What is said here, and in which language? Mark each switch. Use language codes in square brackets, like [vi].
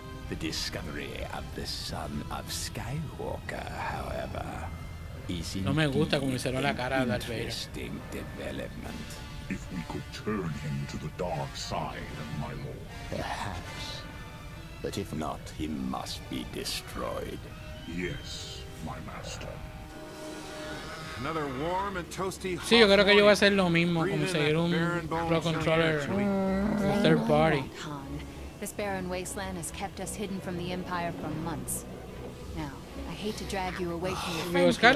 [en] The discovery of the son of Skywalker, however. [es] No me gusta cómo hicieron la cara de Darth Vader. [en] If we could turn him to the dark side of my lord. Perhaps. But if not, he must be destroyed. Yes, my master. Another warm and toasty. [es] Sí, yo creo que yo voy a hacer lo mismo, conseguir un Pro Controller third party. [en] This barren wasteland has kept us hidden from the Empire for months. Now. I hate to drag you away from your friend.